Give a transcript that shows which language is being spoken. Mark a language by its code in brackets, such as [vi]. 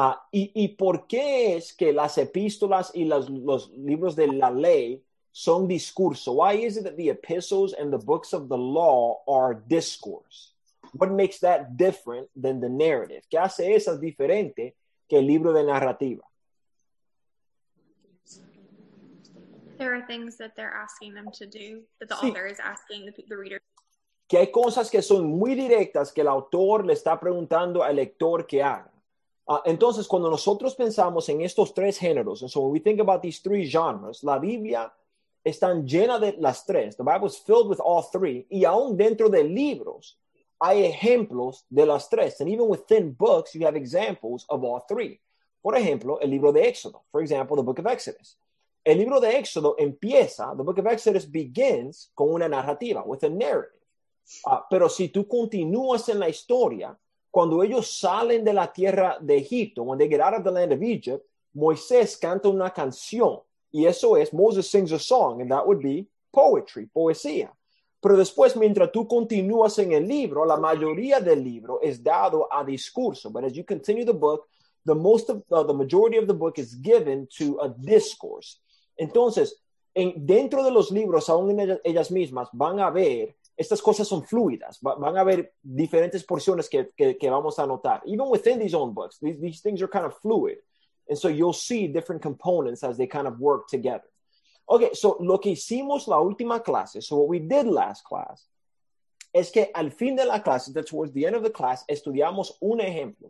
[es] ¿Y por qué es que las epístolas y los libros de la ley son discurso? [en] Why is it that the epistles and the books of the law are discourse? What makes that different than the narrative? [es] ¿Qué hace esa diferente que el libro de narrativa? [en] There are things that they're asking them to do, that the sí. author is asking the reader. [es] Que hay cosas que son muy directas que el autor le está preguntando al lector que haga. Entonces, cuando nosotros pensamos en estos tres géneros, [en] and so when we think about these three genres, [es] la Biblia está llena de las tres. [en] The Bible is filled with all three. [es] Y aún dentro de libros, hay ejemplos de las tres. [en] And even within books, you have examples of all three. [es] Por ejemplo, el libro de Éxodo. [en] For example, the book of Exodus. [es] El libro de Éxodo empieza, [en] the book of Exodus begins [es] con una narrativa, [en] with a narrative. [es] Pero si tú continúas en la historia, cuando ellos salen de la tierra de Egipto, [en] when they get out of the land of Egypt, [es] Moisés canta una canción. Y eso es, [en] Moses sings a song, and that would be poetry, poesía. [es] Pero después, mientras tú continúas en el libro, la mayoría del libro es dado a discurso. [en] But as you continue the book, the majority of the book is given to a discourse. [es] Entonces, dentro de los libros, aún en ellas mismas, van a ver, estas cosas son fluidas, van a ver diferentes porciones que vamos a notar. [en] Even within these own books, these things are kind of fluid. And so you'll see different components as they kind of work together. [es] Okay, so lo que hicimos la última clase, [en] so what we did last class, [es] es que al fin de la clase, [en] that's towards the end of the class, [es] estudiamos un ejemplo.